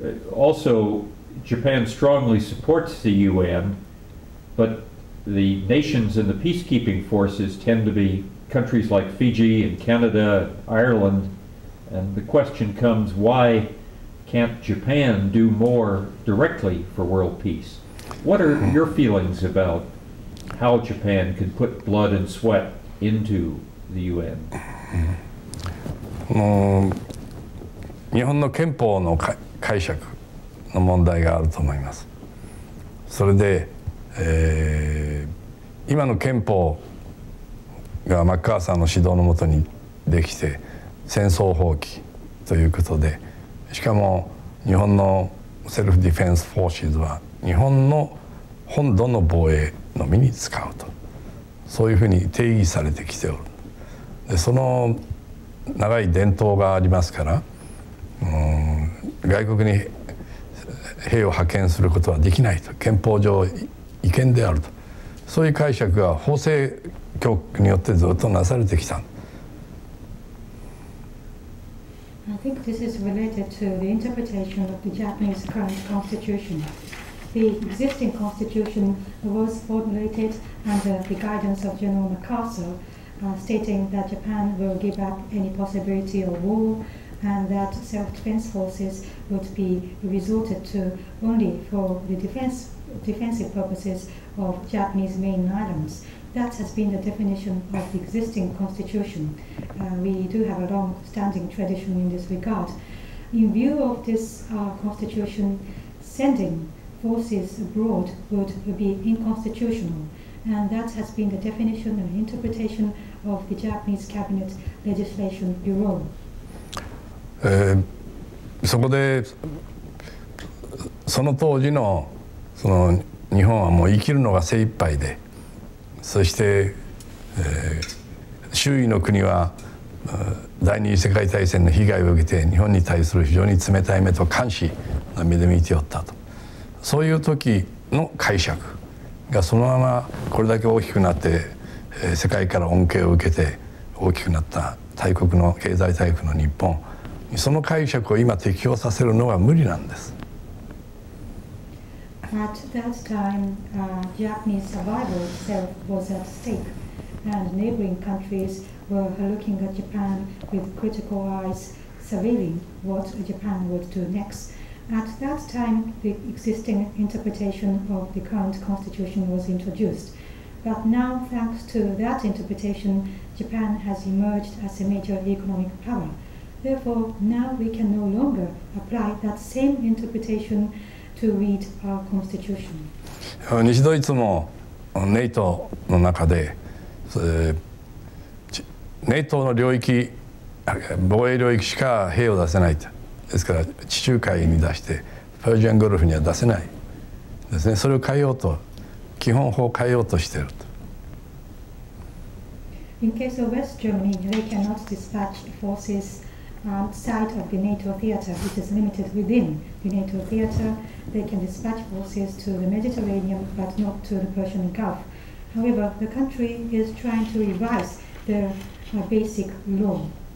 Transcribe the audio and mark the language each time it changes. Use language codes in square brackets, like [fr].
[en] Also, Japan strongly supports the UN, but the nations in the peacekeeping forces tend to be countries like Fiji and Canada, Ireland, and the question comes, why can't Japan do more directly for world peace? What are your feelings about how Japan can put blood and sweat into the UN? [ja] 日本の憲法の解釈の問題があると思います。それで、今の憲法がマッカーサーの指導のもとにできて戦争放棄ということで、しかも日本のセルフディフェンスフォーシーズは日本の本土の防衛のみに使うと、そういうふうに定義されてきておる。でその長い伝統がありますから、外国に兵を派遣することはできないと、憲法上違憲であると、そういう解釈が法制局によってずっとなされてきた。 [en] I think this is related to the interpretation of the Japanese current constitution. The existing constitution was formulated under the guidance of General MacArthur, stating that Japan will give up any possibility of war and that self-defense forces would be resorted to only for the defensive purposes of Japanese main islands. That has been the definition of the existing constitution. We do have a long-standing tradition in this regard. In view of this constitution, sending forces abroad would be inconstitutional, and that has been the definition and interpretation of the Japanese Cabinet Legislation Bureau. [ja] そこでその当時のその日本はもう生きるのが精一杯で、そして、周囲の国は第二次世界大戦の被害を受けて日本に対する非常に冷たい目と監視の目で見ておったと、そういう時の解釈がそのままこれだけ大きくなって、世界から恩恵を受けて大きくなった大国の経済大国の日本、その解釈を今適用させるのは無理なんです。 [en] At that time, Japanese survival itself was at stake, and neighboring countries were looking at Japan with critical eyes, surveilling what Japan would do next. At that time, the existing interpretation of the current constitution was introduced. But now, thanks to that interpretation, Japan has emerged as a major economic power. Therefore, now we can no longer apply that same interpretation to read our constitution. [ja] 西ドイツも NATO の中で、NATO の領域、防衛領域しか兵を出せないと。ですから地中海に出してパージアンゴルフには出せないですね。それを変えようと、基本法を変えようとしていると。 [en] In case of West Germany, they cannot dispatch forces outside of the NATO theater, which is limited within the NATO theater. They can dispatch forces to the Mediterranean, but not to the Persian Gulf. However, the country is trying to revise their basic law.